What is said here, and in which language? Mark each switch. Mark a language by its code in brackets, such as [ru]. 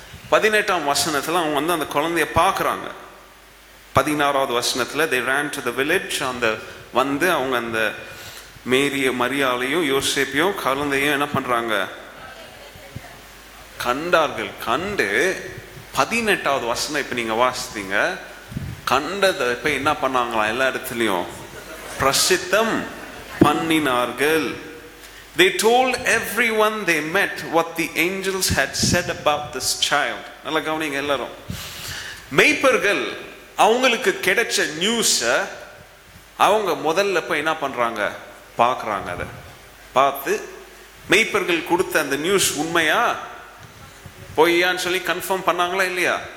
[ta] 18 வசனத்துல அவங்க வந்து அந்த குழந்தைய பார்க்கறாங்க. 16 வசனத்துல [en] they ran to the village, [ta] அந்த வந்து அவங்க அந்த மேரிய மரியாலையும் யோசேப்பையும் கலந்தையும் என்ன பண்ணுறாங்க, கண்டார்கள். கண்டு 18 வசனம் இப்போ நீங்கள் வாசித்தீங்க, கண்டதை இப்போ என்ன பண்ணாங்களாம், எல்லா இடத்துலையும் பிரசித்தம் பண்ணினார்கள். [en] They told everyone they met what the angels had said about this child. [ta] நல்லா கவனிங்க எல்லாரும். மேய்ப்பர்கள் அவங்களுக்கு கிடைச்ச நியூஸை அவங்க முதல்ல இப்போ என்ன பண்ணுறாங்க, பார்க்குறாங்க. அதை பார்த்து மெய்ப்பர்கள் கொடுத்த அந்த நியூஸ் உண்மையா பொய்யான்னு சொல்லி கன்ஃபார்ம் பண்ணாங்களா இல்லையா?